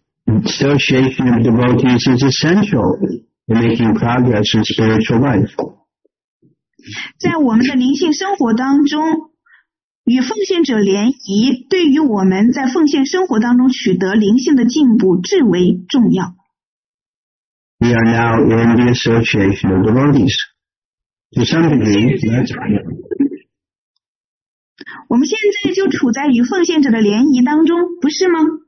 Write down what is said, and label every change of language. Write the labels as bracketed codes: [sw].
[en] Association of devotees is essential in making progress in spiritual life. [zh] 在我们的灵性生活当中，与奉献者联谊对于我们在奉献生活当中取得灵性的进步至为重要。 [en] We are now in the association of devotees. To some degree, that's right. [zh] 我们现在就处在与奉献者的联谊当中，不是吗？